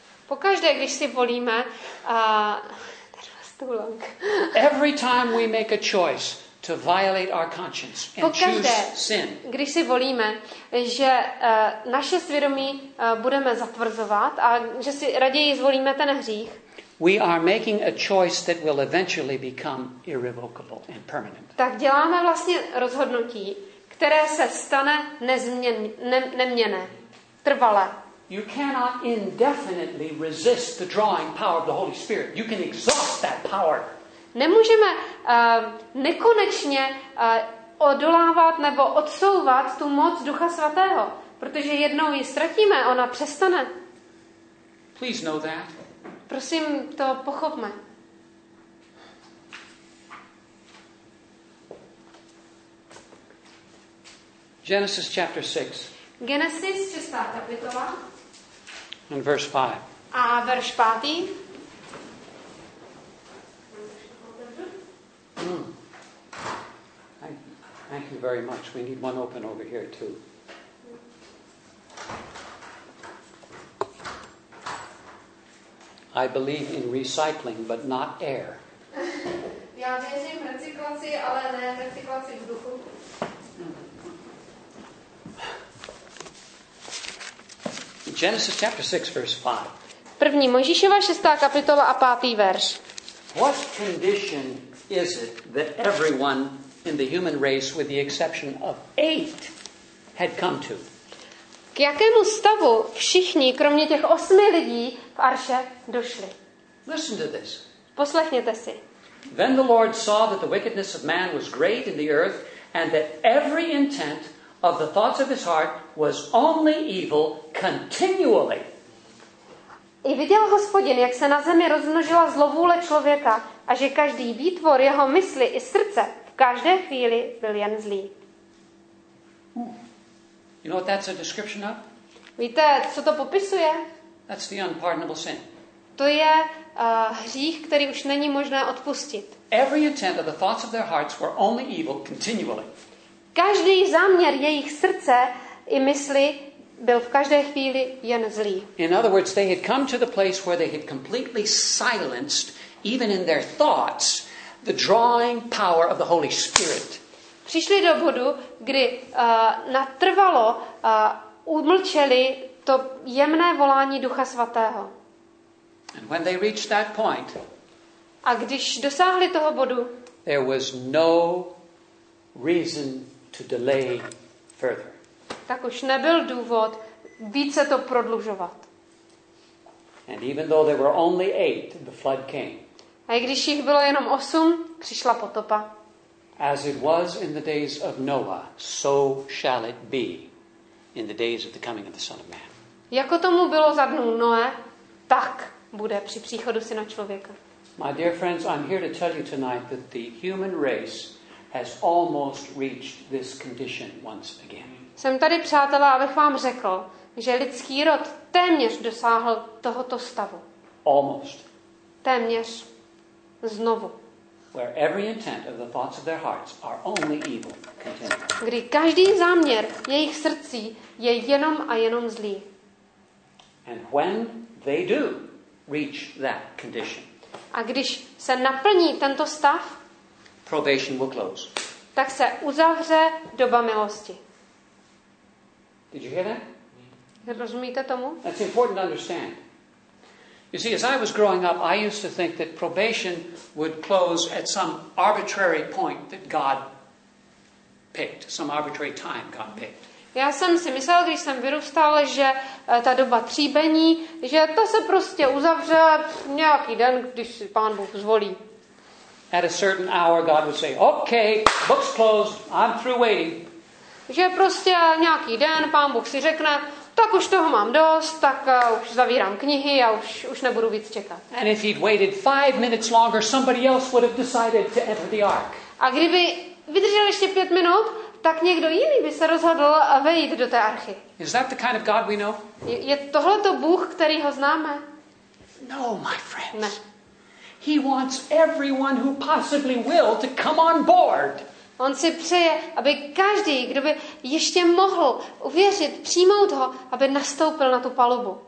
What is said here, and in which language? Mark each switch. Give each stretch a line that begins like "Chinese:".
Czech: Pokaždé, když si volíme,
English: that was too long. Every time we make a choice to violate our conscience and
Czech: pokaždé,
English: choose sin.
Czech: Když si volíme, že naše svědomí budeme zatvrzovat a že si raději zvolíme ten hřích.
English: We are making a choice that will eventually become irrevocable and permanent.
Czech: Tak děláme vlastně rozhodnutí, které se stane neměnné, trvalé.
English: You cannot indefinitely resist the drawing power of the Holy Spirit. You can exhaust that power.
Czech: Nemůžeme nekonečně odolávat nebo odsouvat tu moc Ducha Svatého, protože jednou ji ztratíme, ona přestane.
English: Please know that.
Czech: Prosím, to pochopme.
English: Genesis chapter 6.
Czech: Genesis 6. kapitola.
English: In verse 5.
Czech: A verš 5.
English: Thank you very much. We need one open over here too. I believe in recycling, but not air.
Czech: Já věřím v recyklaci, ale ne v recyklaci vzduchu.
English: Genesis chapter 6 verse 5.
Czech: První Mojžíšova 6. kapitola a 5. verš.
English: What condition is it that everyone in the human race with the exception of 8 had come to?
Czech: K jakému stavu všichni kromě těch 8 lidí v arše došli?
English: Listen to this.
Czech: Poslechněte si.
English: Then the Lord saw that the wickedness of man was great in the earth and that every intent of the thoughts of his heart was only evil continually.
Czech: I viděl Hospodin, jak se na zemi rozmnožila zlovůle člověka, a že každý výtvor jeho mysli i srdce v každé chvíli byl jen zlý.
English: You know what that's a description of?
Czech: Víte, co to popisuje?
English: That's the unpardonable sin.
Czech: To je hřích, který už není možné odpustit.
English: Every intent of the thoughts of their hearts were only evil continually.
Czech: Každý záměr jejich srdce i mysli byl v každé chvíli jen zlý.
English: In other words, they had come to the place where they had completely silenced, even in their thoughts, the drawing power of the Holy Spirit.
Czech: Přišli do bodu, kdy natrvalo umlčeli to jemné volání Ducha Svatého.
English: And when they reached that point,
Czech: a když dosáhli toho bodu,
English: there was no reason to delay further.
Czech: Tak už nebyl důvod více to prodlužovat.
English: And even though there were only 8, the flood came.
Czech: A i když jich bylo jenom 8, přišla potopa.
English: As it was in the days of Noah, so shall it be in the days of the coming of the Son of Man.
Czech: Jako tomu bylo za dnů Noe, tak bude při příchodu Syna člověka.
English: My dear friends, I'm here to tell you tonight that the human race has almost reached this condition once again.
Czech: Jsem tady, přátelé, abych vám řekl, že lidský rod téměř dosáhl tohoto stavu.
English: Almost.
Czech: Téměř znovu.
English: Where every intent of the thoughts of their hearts are only evil continually.
Czech: Kdy každý záměr jejich srdcí je jenom a jenom zlý.
English: And when they do reach that condition.
Czech: A když se naplní tento stav,
English: probation will close.
Czech: Tak se uzavře doba milosti.
English: Did you hear that?
Czech: Rozumíte tomu?
English: That's important to understand. You see, as I was growing up, I used to think that probation would close at some arbitrary point that God picked, some arbitrary time God picked.
Czech: Já jsem si myslel, když jsem vyrůstal, že ta doba tříbení, že to se prostě uzavře nějaký den, když si Pán Bůh zvolí.
English: At a certain hour God would say, "Okay, books closed. I'm through waiting."
Czech: Že prostě nějaký den Pán Bůh si řekne, tak už toho mám dost, tak už zavírám knihy a už nebudu víc čekat.
English: And if he'd waited 5 minutes longer, somebody else would have decided to enter the ark.
Czech: A kdyby vydržel ještě 5 minut, tak někdo jiný by se rozhodl vejít do té archy.
English: Is that the kind of God we know?
Czech: Je tohle to Bůh, který ho známe?
English: No, my friends.
Czech: Ne.
English: He wants everyone who possibly will to come on board.
Czech: On si přeje, aby každý, kdo by ještě mohl uvěřit, přijmout ho, aby nastoupil na tu palubu.